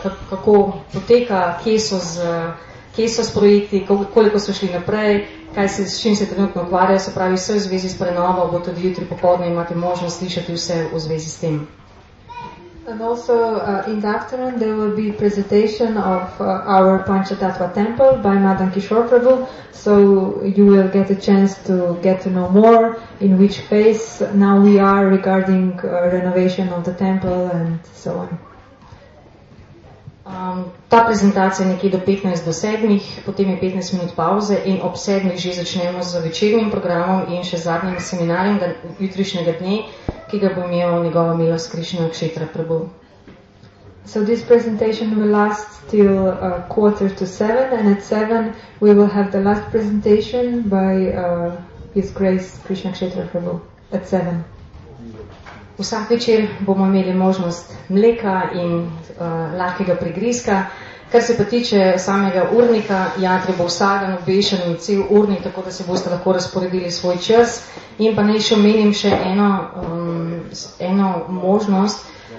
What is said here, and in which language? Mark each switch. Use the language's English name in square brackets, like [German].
[Slovenian] kako poteka, kje so projekti, koliko so šli naprej, kaj se, s čim se trenutno ukvarjajo, se pravi vse v zvezi s prenovo, bo tudi jutri popoldne imate možnost slišati vse v zvezi s tem. [English] And also in the afternoon there will be presentation of our Panchatattva temple by Madan Kishore Prabhu, so you will get a chance to get to know more in which phase now we are regarding renovation of the temple and so on. [Slovenian] Ta prezentacija je nekje do 15 do 7, potem je 15 minut pauze in ob 7 že začnemo z večernim programom in še zadnjim seminarjem jutrišnjega dne, ki ga bo imel njegova milost Krišna Kshetra Prabhu. [English] So this presentation will last till quarter to 7 and at 7 we will have the last presentation by His Grace Krishna Kshetra Prabhu at 7. [Slovenian] Vsak večer bomo imeli možnost mleka in lahkega prigrizka. Kar se pa tiče samega urnika, jatri bo vsagan, obešen in cel urnik, tako da se boste lahko razporedili svoj čas. In pa naj še omenim še eno možnost.